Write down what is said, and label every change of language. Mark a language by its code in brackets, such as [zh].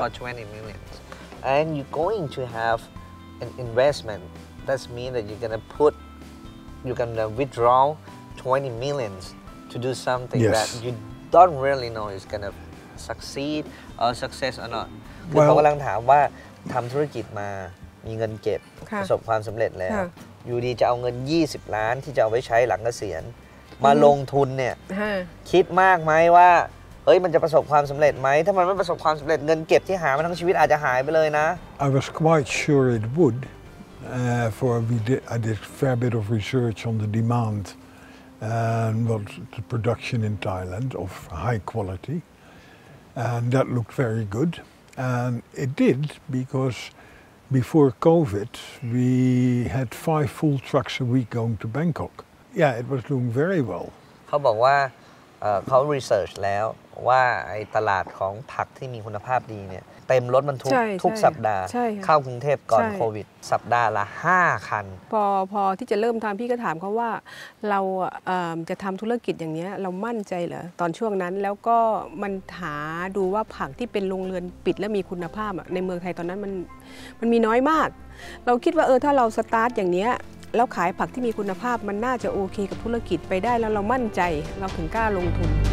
[en] For 20 million. And you're going to have an investment. That means that you're going to withdraw 20 million to do something yes. that you don't really know is going to succeed or success or not. [th] คือเขากำลังถามว่าทำธุรกิจมามีเงินเก็บประสบความสำเร็จแล้วอยู่ดีจะเอาเงิน20ล้านที่จะเอาไว้ใช้หลังเกษียณมาลงทุนเนี่ยคิดมากไหมว่าเอ้ยมันจะประสบความสำเร็จไหมถ้ามันไม่ประสบความสำเร็จเงินเก็บที่หามาทั้งชีวิตอาจจะหายไปเลยนะ [en] I was quite sure it would for I did a fair bit of research on the demand and what the production in Thailand of high quality and that looked very good and it did because before COVID we had 5 full trucks a week going to Bangkok yeah it was doing very well [th] เขาบอกว่าเขา research แล้วว่าไอ้ตลาดของผักที่มีคุณภาพดีเนี่ยเต็มรถบรรทุกทุกสัปดาห์ เข้ากรุงเทพก่อนโควิดสัปดาห์ละ5คัน พอที่จะเริ่มทำพี่ก็ถามเขาว่าเราจะทำธุรกิจอย่างเนี้ยเรามั่นใจเหรอตอนช่วงนั้นแล้วก็มันหาดูว่าผักที่เป็นโรงเรือนปิดและมีคุณภาพในเมืองไทยตอนนั้นมันมีน้อยมากเราคิดว่าถ้าเราสตาร์ทอย่างเนี้ยแล้วขายผักที่มีคุณภาพมันน่าจะโอเคกับธุรกิจไปได้แล้วเรามั่นใจเราถึงกล้าลงทุน